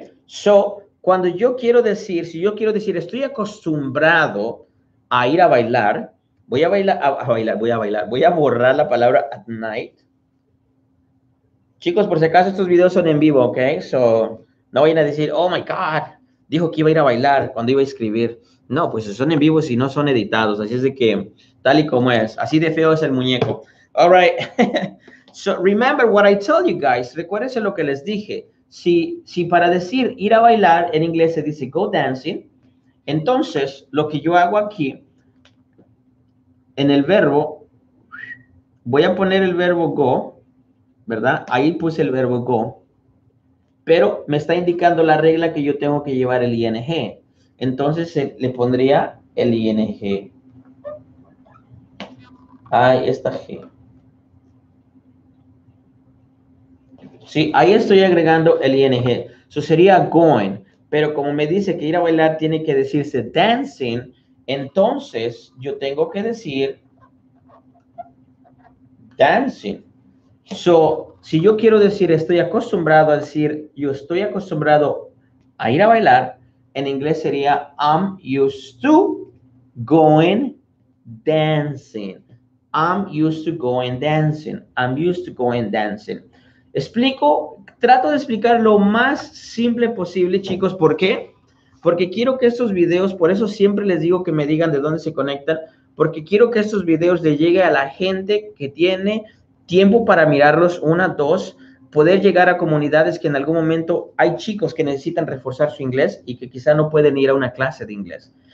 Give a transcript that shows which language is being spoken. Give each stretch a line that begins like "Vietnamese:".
Spanish: So, cuando yo quiero decir, si yo quiero decir estoy acostumbrado a ir a bailar, voy a bailar, voy a borrar la palabra at night. Chicos, por si acaso, estos videos son en vivo, ¿ok? So, no vayan a decir,
English: oh, my God,
Spanish: dijo que iba a ir a bailar cuando iba a escribir. No, pues son en vivo si no son editados. Así es de que, tal y como es. Así de feo es el muñeco.
English: All right. So, remember what I told you guys.
Spanish: Recuérdense lo que les dije. Si para decir ir a bailar en inglés se dice go dancing, entonces lo que yo hago aquí en el verbo, voy a poner el verbo go, ¿verdad? Ahí puse el verbo go. Pero me está indicando la regla que yo tengo que llevar el ing. Entonces, le pondría el ing. Ahí está G. Sí, ahí estoy agregando el ing. Eso sería going. Pero como me dice que ir a bailar tiene que decirse dancing, entonces yo tengo que decir dancing. So, si yo quiero decir estoy acostumbrado a decir yo estoy acostumbrado a ir a bailar, en inglés sería
English: I'm used to going dancing. I'm used to going dancing. I'm used to going dancing.
Spanish: Explico, trato de explicar lo más simple posible, chicos. ¿Por qué? Porque quiero que estos videos, por eso siempre les digo que me digan de dónde se conectan, porque quiero que estos videos le llegue a la gente que tiene tiempo para mirarlos, una, dos, poder llegar a comunidades que en algún momento hay chicos que necesitan reforzar su inglés y que quizá no pueden ir a una clase de inglés.